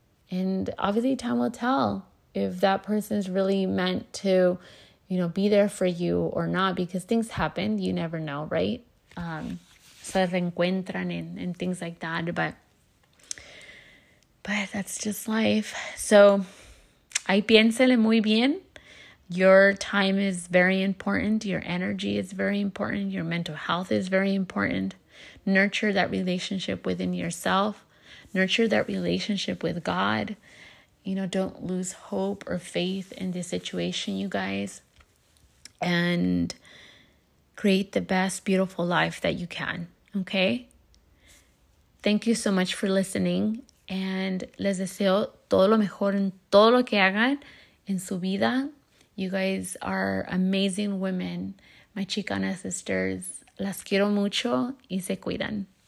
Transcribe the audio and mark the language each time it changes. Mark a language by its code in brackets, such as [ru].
[en] And obviously time will tell if that person is really meant to, you know, be there for you or not, because things happen. You never know, right? [es] Se reencuentran [en] and things like that, but that's just life. [es] So, ahí piénsele muy bien. [en] Your time is very important. Your energy is very important. Your mental health is very important. Nurture that relationship within yourself. Nurture that relationship with God. You know, don't lose hope or faith in this situation, you guys. And create the best, beautiful life that you can. Okay, thank you so much for listening, and [es] les deseo todo lo mejor en todo lo que hagan en su vida. [en] You guys are amazing women, my Chicana sisters. [es] Las quiero mucho y se cuidan.